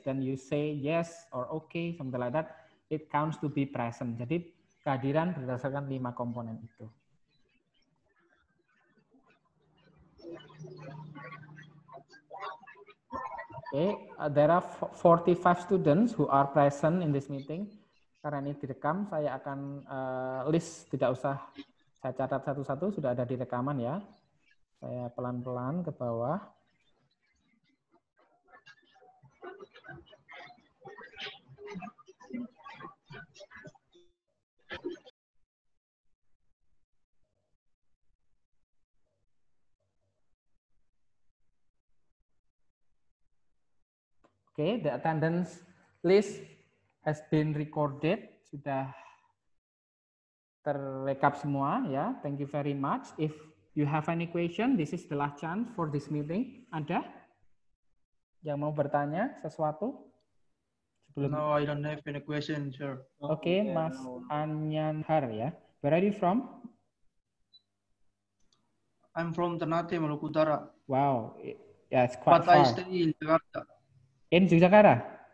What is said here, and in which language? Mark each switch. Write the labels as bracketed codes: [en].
[en] Then you say yes or okay, something like that. It counts to be present. [id] Jadi kehadiran berdasarkan 5 komponen itu. [en] Okay, there are 45 students who are present in this meeting. [id] Karena ini direkam, saya akan list, tidak usah saya catat satu-satu, sudah ada di rekaman ya. Saya pelan-pelan ke bawah. [en] Okay, the attendance list has been recorded, [id] sudah terrekap semua ya. [en] Yeah, thank you very much. If you have any question, this is the last chance for this meeting. [id] Ada yang mau bertanya sesuatu? Sebelum... [en] No, I don't have any question, sir. Okay, yeah, Mas Anyanhar ya. Yeah. Where are you from? I'm from Ternate, Maluku Utara. Wow, yeah, it's quite far. But I stay in Jakarta. In Jakarta?